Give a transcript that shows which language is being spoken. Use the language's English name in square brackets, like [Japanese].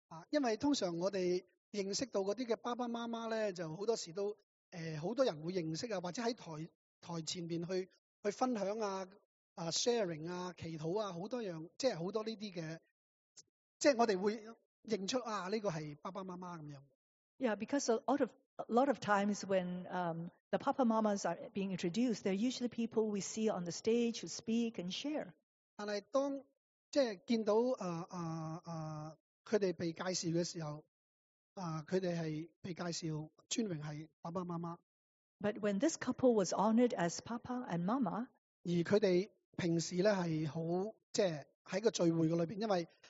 [Cantonese] 因为通常我哋认识到嗰啲嘅爸爸妈妈咧，就好多时都好多人会认识啊，或者喺台前面去分享啊、sharing 啊、祈祷啊，好多样，即系好多呢啲嘅，即系我哋会认出啊，呢个系爸爸妈妈咁样。 [English] Yeah, because a lot of times when the papa mamas are being introduced, they're usually people we see on the stage who speak and share. [Cantonese] 但系当即系见到佢哋被介绍嘅时候，佢哋系被介绍尊荣系爸爸妈妈。 [English] But when this couple was honored as papa and mama, [Cantonese] 而佢哋平时咧系好即系喺个聚会嘅里边，因为。